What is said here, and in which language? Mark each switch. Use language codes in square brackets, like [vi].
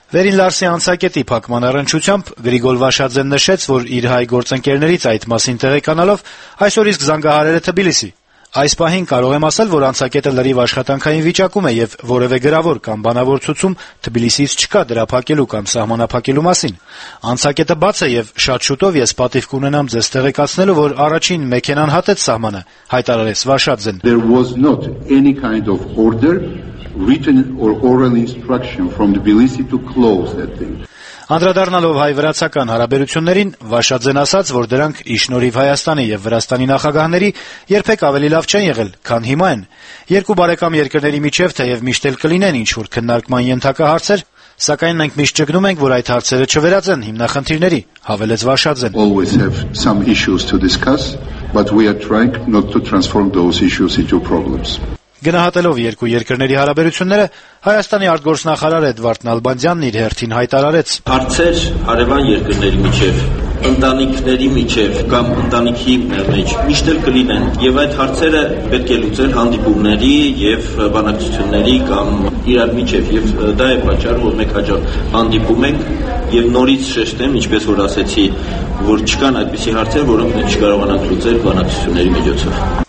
[hy] Վերին Լարսի անցակետի փակման առնչությամբ Գրիգոր Վաշաձեն նշեց, որ իր հայ գործընկերներից այդ մասին տեղեկանալով այսօր իսկ զանգահարել է Թբիլիսի։ Այս պահին կարող եմ ասել, որ անցակետը լրիվ աշխատանքային վիճակում է եւ որևէ գրավոր կամ բանավոր ցուցում Թբիլիսից չկա դրա փակելու կամ սահմանափակելու մասին։ Անցակետը բաց է եւ շատ շուտով ես պատիվ կունենամ ձեզ տեղեկացնելու, որ առաջին մեքենան հատեց սահմանը, հայտարարեց Վաշաձեն։ [en] There was not any kind of order, written or oral instruction from Tbilisi to close that thing. [hy] Անդրադառնալով հայ-վրացական հարաբերություններին, Վաշաձեն ասաց, որ դրանք իշնորիվ Հայաստանի եւ Վրաստանի նախագահների երբեք ավելի լավ չեն եղել, քան հիմա են։ Երկու բարեկամ երկրների միջև թեև միշտ էլ կլինեն ինչ-որ քննարկման ենթակա հարցեր, սակայն մենք միշտ ճգնում ենք, որ այդ հարցերը չվերածեն հիմնախնդիրների, հավելեց Վաշաձեն։ [en] Always have some issues to discuss, but we are trying not to transform those issues into problems. [hy] Գնահատելով երկու երկրների հարաբերությունները, Հայաստանի արտգործնախարար Էդվարդ Նալբանդյանն իր հերթին հայտարարեց. Հարցեր հարևան երկրների միջև, ընտանիքների միջև կամ ընտանիքի մեջ միշտ էլ կլինեն, եւ այդ հարցերը պետք է լուծել հանդիպումների եւ բանակցությունների կամ իրար միջև, եւ դա է պատճառը, որ մենք հաջող հանդիպում ենք եւ նորից շեշտեմ, ինչպես որ ասացի, որ չկան այդպիսի հարցեր, որոնք մենք չկարողանանք լուծել բանակցությունների միջոցով։